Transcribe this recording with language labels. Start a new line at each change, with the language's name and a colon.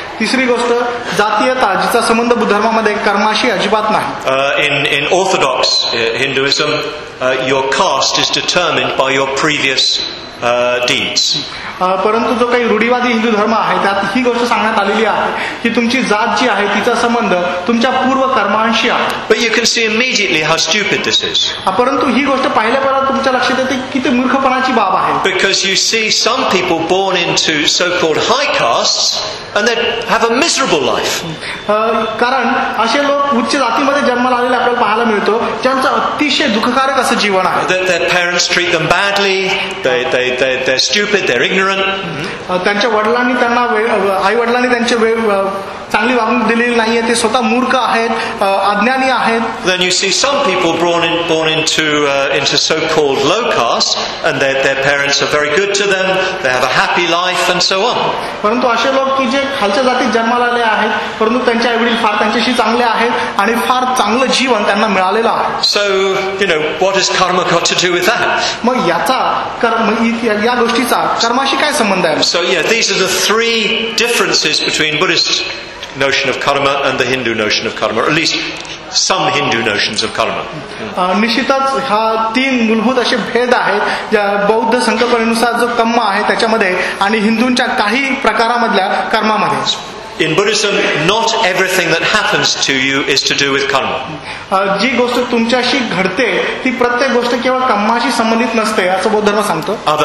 Marathi: तिसरी गोष्ट जातीयता जिचा संबंध बौद्ध धर्मामध्ये कर्माशी अजिबात नाही.
English: In orthodox Hinduism, your caste is determined by your previous deeds.
Marathi: परंतु जो काही रूढीवादी हिंदू धर्म आहे त्यात ही गोष्ट सांगण्यात आलेली आहे की तुमची जात जी आहे तिचा संबंध तुमच्या पूर्व कर्मांशी आहे.
English: But you can see immediately how stupid this is.
Marathi: परंतु ही गोष्ट पहिल्यापासून तुमच्या लक्षात येते किती मूर्खपणाची बाब आहे.
English: Because you see some people born into so-called high castes and they have a miserable life.
Marathi: कारण असे लोक उच्च जातीमध्ये जन्माला आलेले आपल्याला पाहायला मिळतो ज्यांचं अतिशय दुःखकारक असं जीवन आहे.
English: Their parents treat them badly, they're stupid, they're ignorant.
Marathi: त्यांच्या वडिलांनी त्यांना आई वडिलांनी त्यांचे चांगली वागणूक दिलेली नाही आहे ते स्वतः मूर्ख आहेत अज्ञानी आहेत.
English: Then you see some people born into so-called low caste and their parents are very good to them, they have a happy life and so on.
Marathi: परंतु असे लोक की जे खालच्या जातीत जन्माला आले आहेत परंतु त्यांचे आई वडील फार त्यांच्याशी चांगले आहेत आणि फार चांगलं जीवन त्यांना मिळालेलं आहे.
English: So you know what is karma got to do with that?
Marathi: मग याचा कर्म या गोष्टीचा कर्माशी काय संबंध आहे?
English: So yeah, these are the three differences between Buddhist notion of karma and the Hindu notion of karma, or at least some Hindu notions of karma.
Marathi: निश्चितच हा तीन मूलभूत असे भेद आहेत बौद्ध संकल्पनेनुसार जो कर्म आहे त्याच्यामध्ये आणि हिंदूंच्या काही प्रकारामधल्या कर्मामध्ये.
English: In Buddhism, not everything that happens to you is to do with karma.
Marathi: जी गोष्ट तुमच्याशी घडते ती प्रत्येक गोष्ट केवळ कर्माशी संबंधित नसते असं बौद्ध धर्म सांगतो.